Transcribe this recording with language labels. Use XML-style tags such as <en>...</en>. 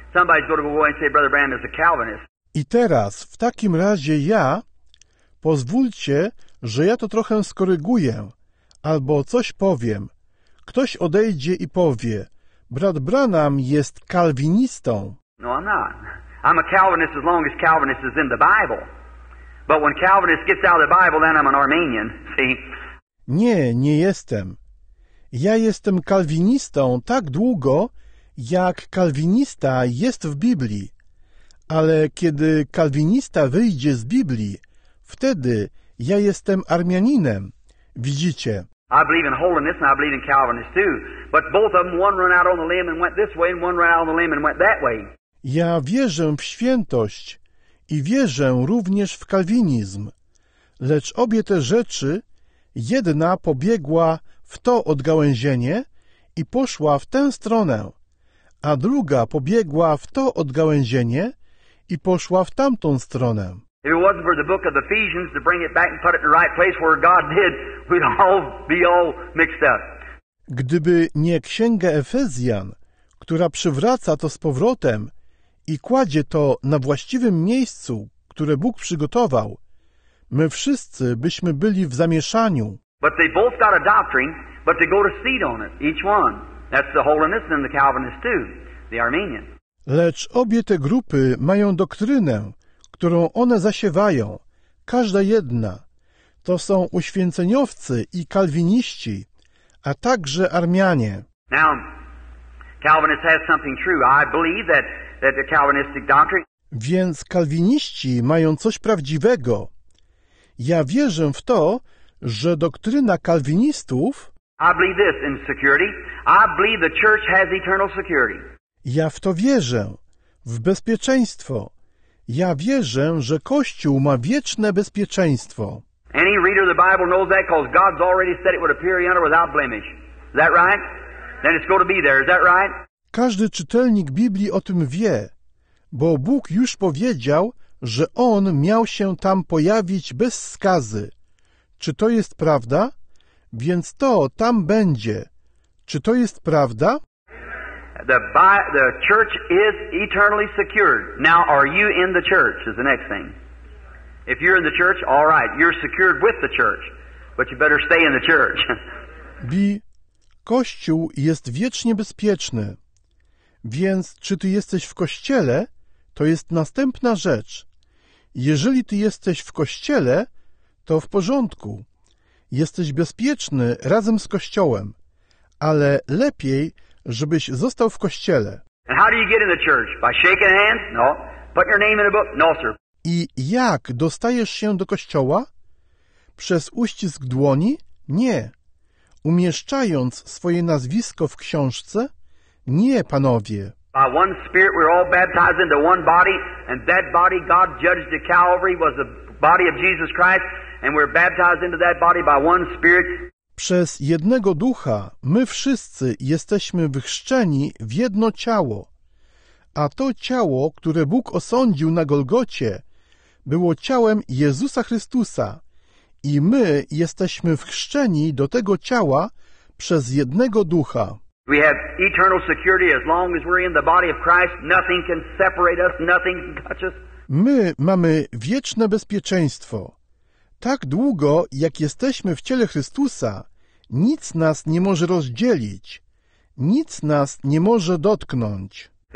<en>Somebody's going to go and say Brother Branham is a Calvinist.</en> <pl>I teraz w takim razie ja, pozwólcie, że ja to trochę skoryguję. Albo coś powiem. Ktoś odejdzie i powie, brat Branham jest kalwinistą.</pl> <en>No, I'm not. I'm a Calvinist as long as Calvinist is in the Bible. But when Calvinist gets out of the Bible, then I'm an Armenian, see?</en> <pl>Nie, nie jestem. Ja jestem kalwinistą tak długo, jak kalwinista jest w Biblii. Ale kiedy kalwinista wyjdzie z Biblii, wtedy ja jestem Armianinem. Widzicie.</pl> <en>I believe in holiness and I believe in Calvinists too. But both of them, one ran out on the limb and went this way and one ran out on the limb and went that way.</en> <pl>Ja wierzę w świętość i wierzę również w kalwinizm. Lecz obie te rzeczy, jedna pobiegła w to odgałęzienie i poszła w tę stronę, a druga pobiegła w to odgałęzienie i poszła w tamtą stronę.</pl> <en>If it wasn't for the book of Ephesians to bring it back and put it in the right place where God did, we'd all be all mixed up.</en> <pl>Gdyby nie księga Efezjan, która przywraca to z powrotem i kładzie to na właściwym miejscu, które Bóg przygotował, my wszyscy byśmy byli w zamieszaniu.</pl> <en>But they both got a doctrine, but they go to seed on it, each one. That's the Holiness and the Calvinist too, the Armenian.</en> <pl>Lecz obie te grupy mają doktrynę, którą one zasiewają, każda jedna. To są uświęceniowcy i kalwiniści, a także Armianie.</pl> <en>Now, Calvinists have something true. I believe that the Calvinistic doctrine...</en> <pl>Więc kalwiniści mają coś prawdziwego. Ja wierzę w to, że doktryna kalwinistów...</pl> <en>I believe this in security. I believe the church has eternal security.</en> <pl>Ja w to wierzę, w bezpieczeństwo. Ja wierzę, że Kościół ma wieczne bezpieczeństwo.</pl> <en>Any reader of the Bible knows that because God's already said it would appear yonder without blemish. Is that right? Then it's going to be there. Is that right?</en> <pl>Każdy czytelnik Biblii o tym wie, bo Bóg już powiedział, że On miał się tam pojawić bez skazy. Czy to jest prawda? Więc to tam będzie. Czy to jest prawda?</pl> <en>The church is eternally secured. Now, are you in the church? Is the next thing. If you're in the church, all right, you're secured with the church. But you better stay in the church. B.</en> <pl>Kościół jest wiecznie bezpieczny. Więc czy ty jesteś w kościele, to jest następna rzecz. Jeżeli ty jesteś w kościele, to w porządku. Jesteś bezpieczny razem z kościołem, ale lepiej, żebyś został w kościele.</pl> <en>And how do you get in the church? By shaking hands? No. Put your name in a book? No, sir.</en> <pl>I jak dostajesz się do kościoła? Przez uścisk dłoni? Nie. Umieszczając swoje nazwisko w książce? Nie, panowie.</pl> <en>By one spirit we're all baptized into one body, and that body God judged at Calvary was the body of Jesus Christ. And we're baptized into that body by one spirit.</en> <pl>Przez jednego ducha my wszyscy jesteśmy wchrzczeni w jedno ciało. A to ciało, które Bóg osądził na Golgocie, było ciałem Jezusa Chrystusa. I my jesteśmy wchrzczeni do tego ciała przez jednego ducha.</pl> <en>We have eternal security as long as we're in the body of Christ. Nothing can separate us, nothing can touch us.</en> <pl>My mamy wieczne bezpieczeństwo. Tak długo, jak jesteśmy w ciele Chrystusa, nic nas nie może rozdzielić. Nic nas nie może dotknąć.</pl>